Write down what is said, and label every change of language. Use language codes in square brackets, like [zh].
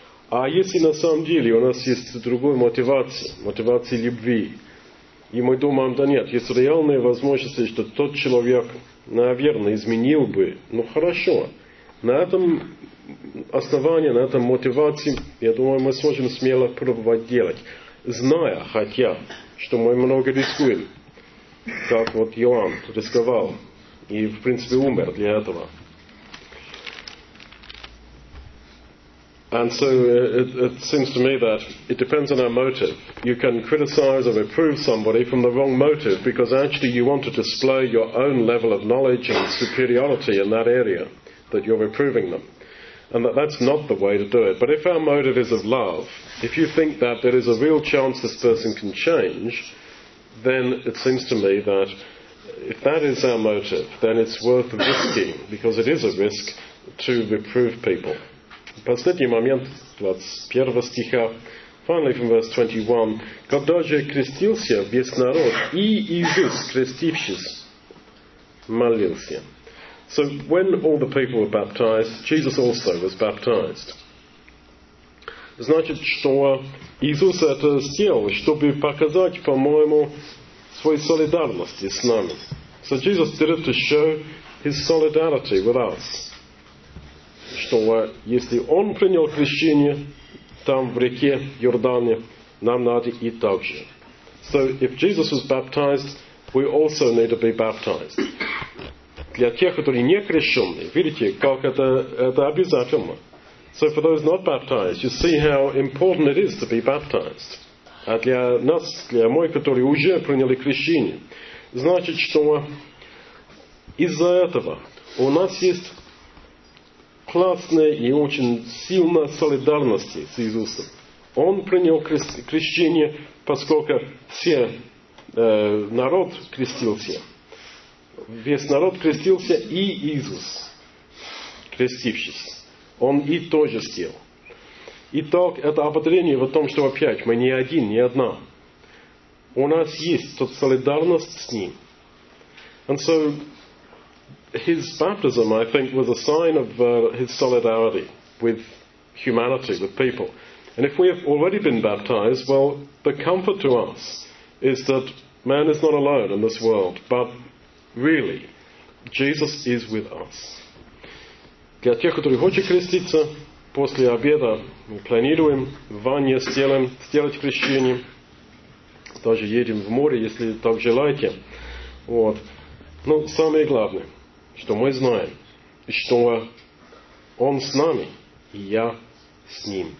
[ru] А если на самом деле у нас есть другая мотивация, мотивация любви, и мы думаем, да нет, есть реальные возможности, что тот человек, наверное, изменил бы, ну хорошо, на этом основании, на этом мотивации, я думаю, мы сможем смело пробовать делать, зная, хотя, что мы много рискуем, как вот Иоанн рисковал и, в принципе, умер для этого. [en] And so it seems to me that it depends on our motive. You can criticize or reprove somebody from the wrong motive because actually you want to display your own level of knowledge and superiority in that area that you're reproving them. And that's not the way to do it. But if our motive is of love, if you think that there is a real chance this person can change, then it seems to me that if that is our motive, then it's worth risking, because it is a risk to reprove people. [ru] Последний момент, 21 стиха, [en] finally from verse 21, [ru] когда же крестился весь народ, и Иисус, крестившись, молился. [en] So when all the people were baptized, Jesus also was baptized. [ru] Значит, что Иисус это сделал, чтобы показать, по-моему, свою солидарность с нами. [en] So Jesus did it to show his solidarity with us. [ru] Что если он принял крещение там в реке Иордане, нам надо и так же. [en] So if Jesus was baptized, we also need to be baptized. [ru] Для тех, которые не крещены, видите, как это обязательно. [en] So for those not baptized, you see how important it is to be baptized. [ru] А для нас, для моих, которые уже приняли крещение, значит, что из-за этого у нас есть классная и очень сильная солидарность с Иисусом. Он принял крещение, поскольку все народ крестился. Весь народ крестился, и Иисус, крестившись, он и тоже сделал. Итак, это ободрение в том, что опять мы не один, не одна. У нас есть тот солидарность с ним. [en] And so, his baptism, I think, was a sign of his solidarity with humanity, with people. And if we have already been baptized, well, the comfort to us is that man is not alone in this world, but really, Jesus is with us. [ru] Для тех, которые хотят креститься, после обеда мы планируем в ванне с телом сделать крещение. Даже едем в море, если так желаете. Вот. Но самое главное, что мы знаем, что Он с нами, и я с Ним.